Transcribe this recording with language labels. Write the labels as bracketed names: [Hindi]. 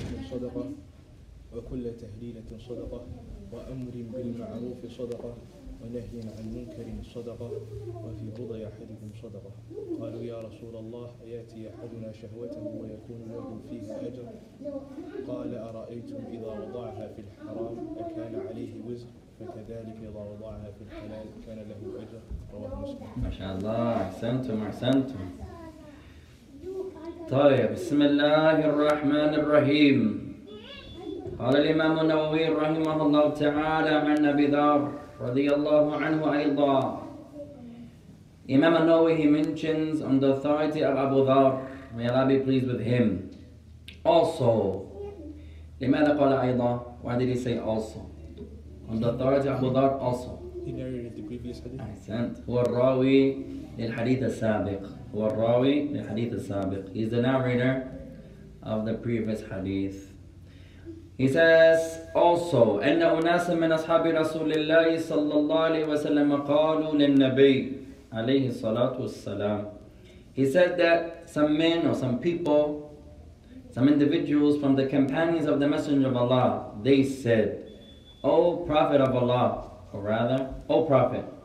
[Arabic] صدقة وكل تحليلة صدقة وأمر بالمعروف صدقة ونهي عن المنكر صدقة وفي بضع أحدكم صدقة قالوا يا رسول الله أيأتي أحدنا شهوته ويكون له فيه أجر قال أرأيتم إذا وضعها في الحرام أكان عليه وزر فكذلك إذا وضعها في الحلال كان له أجر رواه مسلم. ما شاء الله أحسنتم طيب بسم الله الرحمن الرحيم قال الإمام النووي رحمه الله تعالى عن أبي ذر رضي الله عنه أيضا [English] Imam An-Nawawi, he mentions on the authority of Abu Dharr, may Allah be pleased with him. Also, [Arabic] لماذا قال أيضا? [English] Why did he say also? On the authority of Abu Dharr also. He narrated the previous hadith. [Arabic] Ahsant. هو الراوي للحديث السابق. هو الراوي للحديث السابق. [English] He's the narrator of the previous hadith. He says, also, [Arabic] أن أناس من أصحاب رسول الله صلى الله عليه وسلم قالوا للنبي [English] alayhi salatu wassalam. He said that some men or some people, some individuals from the companions of the Messenger of Allah, they said, O Prophet of Allah, or rather, O Prophet.